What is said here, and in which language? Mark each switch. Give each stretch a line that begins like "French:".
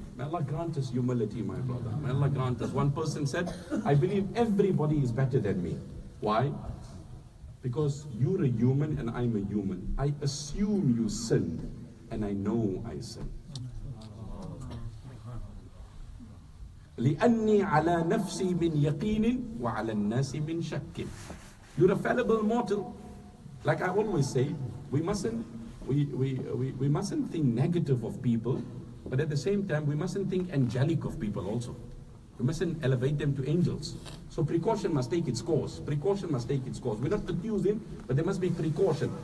English: May Allah grant us humility, my brother. May Allah grant us. One person said, I believe everybody is better than me. Why? Because you're a human and I'm a human. I assume you sin, and I know I sin.
Arabic: لأني على نفسي من يقين وعلى الناس من شك.
English: You're a fallible mortal. Like I always say, we mustn't think negative of people, but at the same time we mustn't think angelic of people also. We mustn't elevate them to angels. So precaution must take its course. We're not confusing, but there must be precaution.